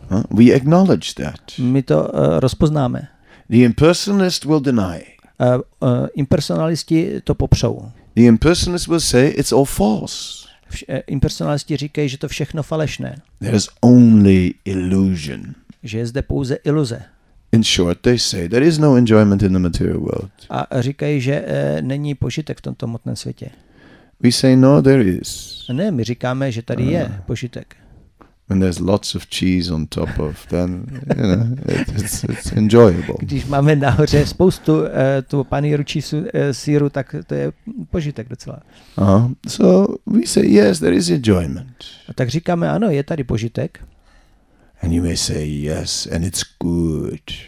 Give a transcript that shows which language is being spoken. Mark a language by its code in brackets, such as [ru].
[en] We acknowledge that. [cs] My to rozpoznáme. [en] The impersonalist will deny. [cs] Impersonalisti to popřou. [en] The impersonalist will say it's all false. [cs] Impersonalisti říkají, že to všechno falešné. [en] There is only illusion. [cs] Že je zde pouze iluze. [en] In short, they say there is no enjoyment in the material world. [cs] A říkají, že není požitek v tomto hmotném světě. [en] We say no, there is. [cs] Ne, my říkáme, že tady je požitek. [en] When there's lots of cheese on top of, then you know it's enjoyable. [cs] Když máme nahoře spoustu tu panýru čísu sýru, tak to je požitek docela. [en] So we say yes, there is enjoyment. [cs] A tak říkáme ano, je tady požitek. [en] And you may say yes, and it's good.